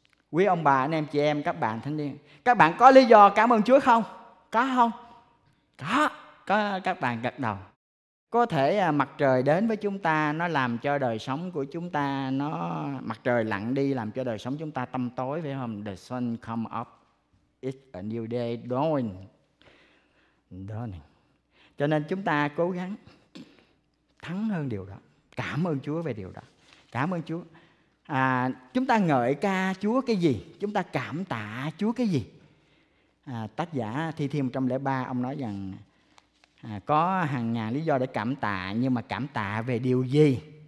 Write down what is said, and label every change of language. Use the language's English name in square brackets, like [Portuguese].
[Vietnamese] Quý ông bà, anh em chị em, các bạn thanh niên, các bạn có lý do cảm ơn Chúa không? Có không? Có, các bạn gật đầu. Có thể mặt trời đến với chúng ta, nó làm cho đời sống của chúng ta, nó mặt trời lặn đi làm cho đời sống chúng ta tăm tối, phải không? [English] The sun come up, it's a new day dawn. Dawning. [Vietnamese] Cho nên chúng ta cố gắng thắng hơn điều đó. Cảm ơn Chúa về điều đó. Cảm ơn Chúa. Chúng ta ngợi ca Chúa cái gì? Chúng ta cảm tạ Chúa cái gì? Tác giả Thi Thiên 103, ông nói rằng có hàng ngàn lý do để cảm tạ, nhưng mà cảm tạ về điều gì?